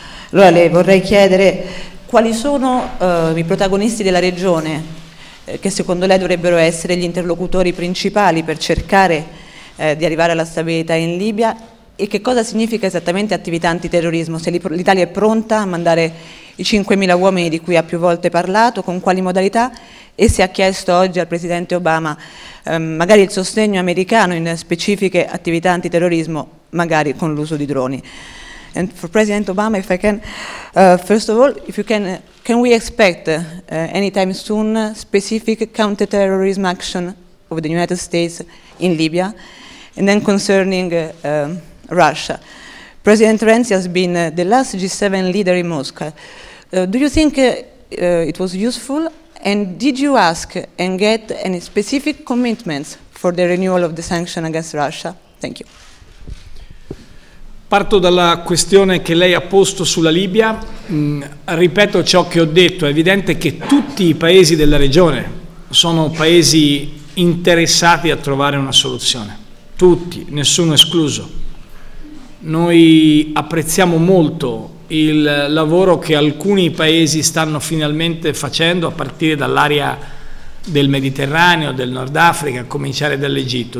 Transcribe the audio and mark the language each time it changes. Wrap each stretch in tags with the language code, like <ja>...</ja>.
<it>Allora le vorrei chiedere quali sono i protagonisti della regione che secondo lei dovrebbero essere gli interlocutori principali per cercare di arrivare alla stabilità in Libia, e che cosa significa esattamente attività antiterrorismo, se l'Italia è pronta a mandare i 5.000 uomini di cui ha più volte parlato, con quali modalità, e se ha chiesto oggi al Presidente Obama magari il sostegno americano in specifiche attività antiterrorismo, magari con l'uso di droni.</it> <en>And for President Obama, if I can, first of all, if you can we expect anytime soon specific counter-terrorism action of the United States in Libya? And then concerning Russia, President Renzi has been the last G7 leader in Moscow. Do you think it was useful? And did you ask and get any specific commitments for the renewal of the sanction against Russia? Thank you.</en> <it>Parto dalla questione che lei ha posto sulla Libia. Ripeto ciò che ho detto. È evidente che tutti i paesi della regione sono paesi interessati a trovare una soluzione. Tutti, nessuno escluso. Noi apprezziamo molto il lavoro che alcuni paesi stanno finalmente facendo a partire dall'area del Mediterraneo, del Nord Africa, a cominciare dall'Egitto.</it>